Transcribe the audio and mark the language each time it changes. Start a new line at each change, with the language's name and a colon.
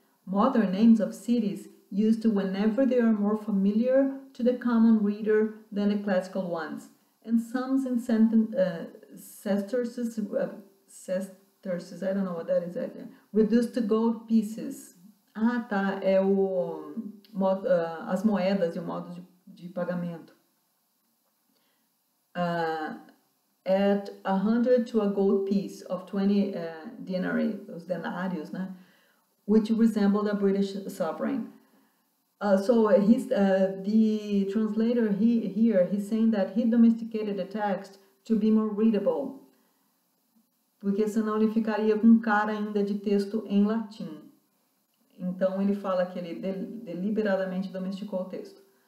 English: Modern names of cities used whenever they are more familiar to the common reader than the classical ones, and some in sesterces, I don't know what that is, reduced to gold pieces.
Portuguese: Ah, tá, é o modo, as moedas e o modo de pagamento.
English: At 100 to a gold piece of 20 denarii,
Portuguese: os denários, né?
English: Which resembled a British sovereign. So the translator, he's saying that he domesticated the text to be more readable.
Portuguese: Porque senão ele ficaria com cara ainda de texto em latim. Então ele fala que ele deliberadamente domesticou o texto.